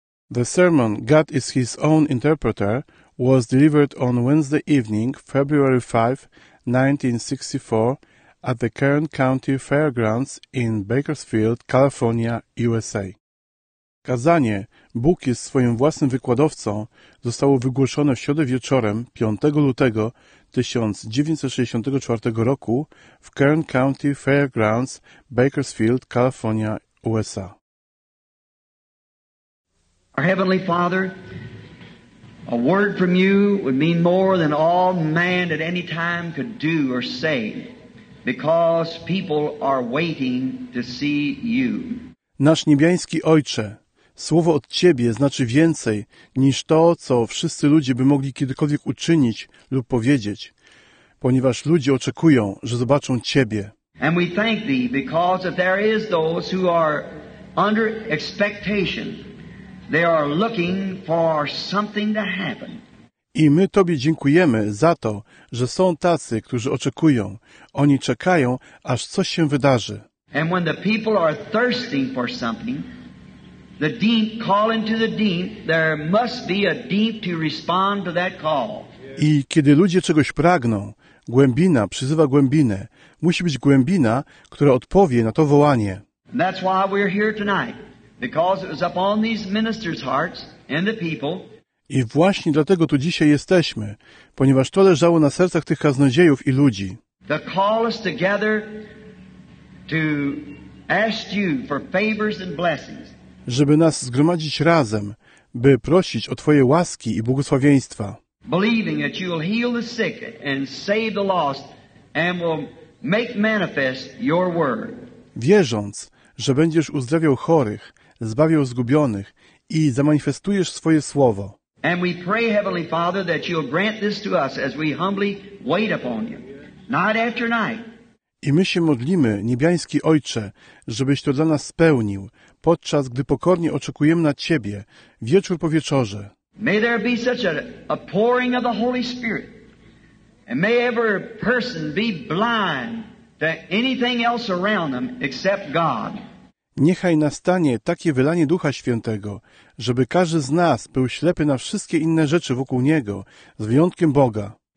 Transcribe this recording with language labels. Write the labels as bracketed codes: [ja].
[en] The sermon, God is His Own Interpreter, was delivered on Wednesday evening, February 5, 1964, at the Kern County Fairgrounds in Bakersfield, California, USA. [pl] Kazanie Bóg jest swoim własnym wykładowcą zostało wygłoszone w środę wieczorem 5 lutego 1964 roku w Kern County Fairgrounds, Bakersfield, California, USA. [en] Our Heavenly Father, a word from you would mean more than all man at any time could do or say, because people are waiting to see you. [pl] Nasz niebiański Ojcze, słowo od Ciebie znaczy więcej niż to, co wszyscy ludzie by mogli kiedykolwiek uczynić lub powiedzieć, ponieważ ludzie oczekują, że zobaczą Ciebie. [en] And we thank Thee because if there is those who are under expectation, they are looking for something to happen. [pl] I my Tobie dziękujemy za to, że są tacy, którzy oczekują. Oni czekają, aż coś się wydarzy. [en] And when the people are thirsting for something, the deep calling to the deep, there must be a deep to respond to that call. [pl] I kiedy ludzie czegoś pragną, głębina przyzywa głębinę. Musi być głębina, która odpowie na to wołanie. [en] And that's why we're here tonight. Because it was upon these ministers' hearts and the people. [pl] I właśnie dlatego tu dzisiaj jesteśmy, ponieważ to leżało na sercach tych kaznodziejów i ludzi. [en] To call us together to ask you for favors and blessings. [pl] Żeby nas zgromadzić razem, by prosić o Twoje łaski i błogosławieństwa. [en] Believing that you will heal the sick and save the lost and will make manifest your word. [pl] Wierząc, że będziesz uzdrawiał chorych, zbawiał zgubionych i zamanifestujesz swoje słowo. [en] And we pray, Heavenly Father, that you'll grant this to us as we humbly wait upon you, night after night. [pl] I my się modlimy, niebiański Ojcze, żebyś to dla nas spełnił, podczas gdy pokornie oczekujemy na Ciebie, wieczór po wieczorze. [en] May there be such a pouring of the Holy Spirit, and may every person be blind to anything else around them except God. [pl] Niechaj nastanie takie wylanie Ducha Świętego, żeby każdy z nas był ślepy na wszystkie inne rzeczy wokół Niego, z wyjątkiem Boga.